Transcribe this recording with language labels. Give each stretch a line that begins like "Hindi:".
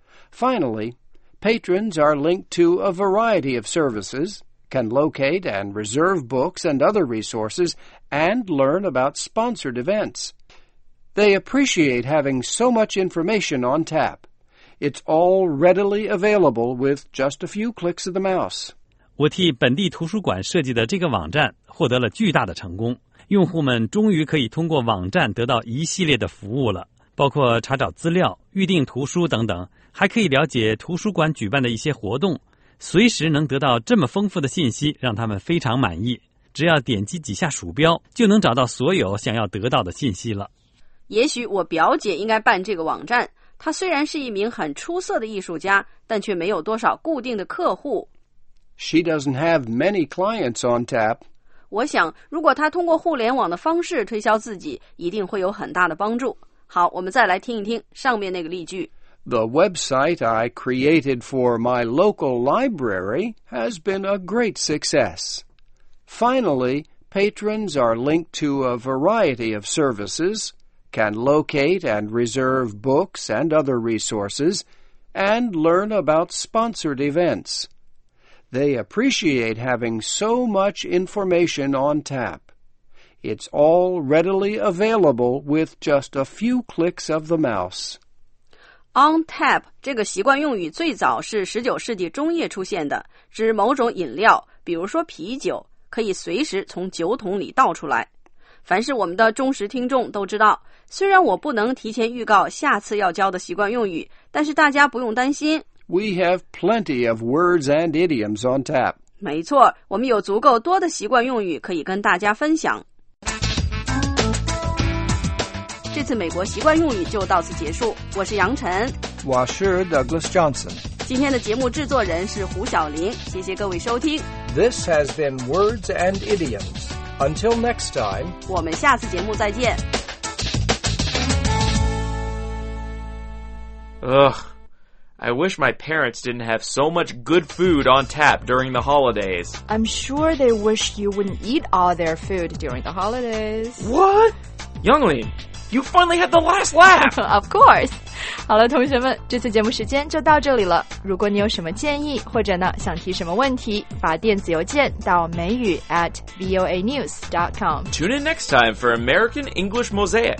English: Finally, patrons are linked to a variety of services, can locate and reserve books and other resources, and learn about sponsored events. They appreciate having so much information on tap. It's all readily available with just a few clicks of the mouse.
Chinese: 我替本地图书馆设计的这个网站获得了巨大的成功。用户们终于可以通过网站得到一系列的服务了，包括查找资料、预订图书等等，还可以了解图书馆举办的一些活动，随时能得到这么丰富的信息，让他们非常满意。只要点击几下鼠标，就能找到所有想要得到的信息了。也许我表姐应该办这个网站，她虽然是一名很出色的艺术家，但却没有多少固定的客户。
English: She doesn't have many clients on tap.
Chinese: 我想，如果她通过互联网的方式推销自己，一定会有很大的帮助。好，我们再来听一听上面那个例句。
English: The website I created for my local library has been a great success. Finally, patrons are linked to a variety of services. Can locate and reserve books and other resources, and learn about sponsored events. They appreciate having so much information on tap. It's all readily available with just a few clicks of the mouse.
Chinese: On tap 这个习惯用语最早是19世纪中叶出现的，指某种饮料，比如说啤酒，可以随时从酒桶里倒出来。凡是我们的忠实听众都知道，虽然我不能提前预告下次要教的习惯用语，但是大家不用担心。
English: We have plenty of words and idioms on tap.
Chinese: 没错，我们有足够多的习惯用语可以跟大家分享。这次美国习惯用语就到此结束，我是杨晨。我是 Douglas Johnson。今天的节目制作人是胡晓琳，谢谢各位收听。
English: This has been Words and Idioms. Until next time,
Chinese: 我们下次节目再见。
English: Ugh, I wish my parents didn't have so much good food on tap during the holidays. I'm sure they wish you wouldn't eat all their food during the holidays. What? Younglin, you finally had the last laugh! Of course!
Chinese: 好了，同学们，这次节目时间就到这里了。如果你有什么建议，或者呢想提什么问题，发电子邮件到美语@voanews.com.
English: Tune in next time for American English Mosaic.